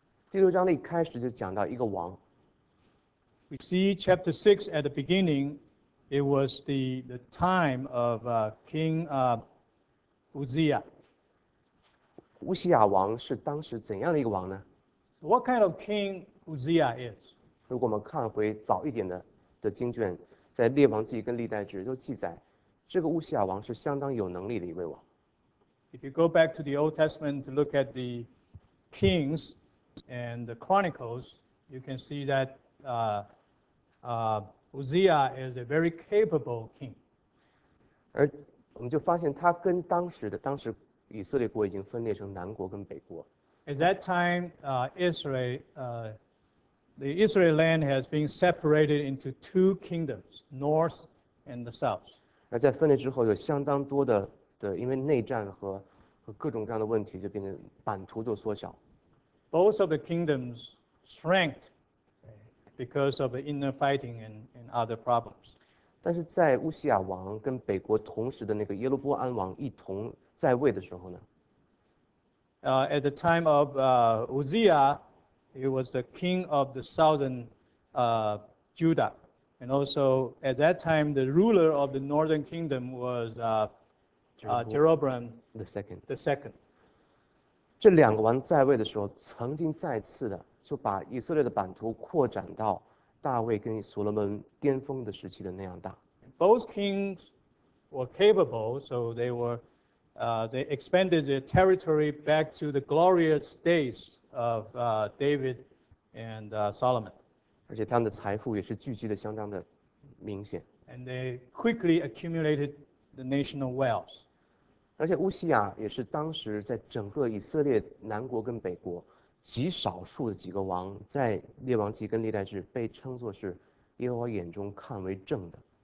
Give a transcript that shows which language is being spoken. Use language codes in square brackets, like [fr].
[zh] 第六章的一开始就讲到一个王。 [en] We see chapter 6 at the beginning, it was the time of King Uzziah. [zh] 乌西亚王是当时怎样的一个王呢？ [en] What kind of king Uzziah is? [zh] 如果我们看回早一点的经卷，在列王记跟历代志都记载，这个乌西亚王是相当有能力的一位王。 [en] If you go back to the Old Testament to look at the kings and the chronicles, you can see that Uzziah is a very capable king. [zh] 而我们就发现他跟当时以色列国已经分裂成南国跟北国。 [en] At that time, the Israel land has been separated into two kingdoms, north and the south. [zh] 而在分裂之后，有相当多的因为内战和各种各样的问题，就变成版图就缩小。 [en] Both of the kingdoms shrank because of the inner fighting and other problems. [zh] 但是在乌西亚王跟北国同时的那个耶罗波安王一同在位的时候呢？ [en] At the time of Uzziah, he was the king of the southern Judah, and also at that time the ruler of the northern kingdom was Jeroboam the second. [zh] 这两个王在位的时候，曾经再次的就把以色列的版图扩展到大卫跟所罗门巅峰的时期的那样大。 [en] Both kings were capable, so they were. They expanded their territory back to the glorious days of David and Solomon. [zh] 而且他们的财富也是聚集的相当的明显。 [en] And they quickly accumulated the national wealth. [zh] 而且乌西亚也是当时在整个以色列南国跟北国极少数的几个王，在列王记跟历代志被称作是耶和华眼中看为正的。